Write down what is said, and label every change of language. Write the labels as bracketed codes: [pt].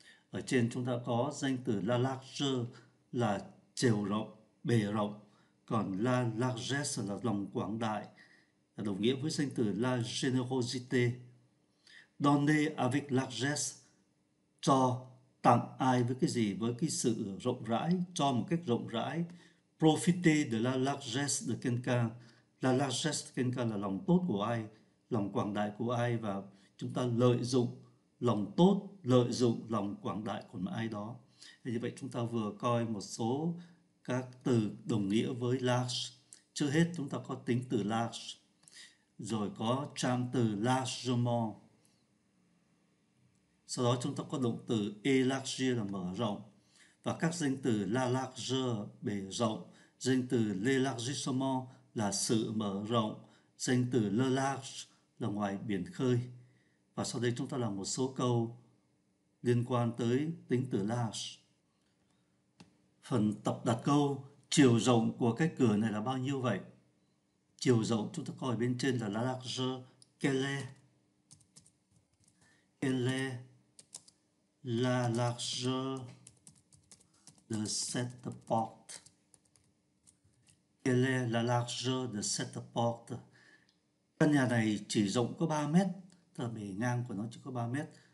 [vi] Ở trên chúng ta có danh từ la largeur là chiều rộng, bề rộng. Còn la largesse là lòng quảng đại, đồng nghĩa với danh từ la générosité. [fr] Donner avec largesse, [vi] cho, tặng ai với cái gì, với cái sự rộng rãi, cho một cách rộng rãi. [fr] Profiter de la largesse de quelqu'un. [vi] La largesse de quelqu'un là lòng tốt của ai, lòng quảng đại của ai, và chúng ta lợi dụng lòng tốt, lợi dụng lòng quảng đại của ai đó. Thì như vậy chúng ta vừa coi một số các từ đồng nghĩa với large. Trước hết chúng ta có tính từ large, rồi có trạm từ largement. Sau đó chúng ta có động từ élargir là mở rộng. Và các danh từ la largeur, bề rộng. Danh từ l'élargissement là sự mở rộng. Danh từ le large là ngoài biển khơi. Và sau đây chúng ta làm một số câu liên quan tới tính từ large. Phần tập đặt câu, chiều rộng của cái cửa này là bao nhiêu vậy? Chiều rộng chúng ta coi bên trên là la largeur. [fr] Quelle est la largeur de cette porte? Quelle est la largeur de cette porte? [vi] Căn nhà này chỉ rộng có 3 mét, tức là bề ngang của nó chỉ có 3 mét.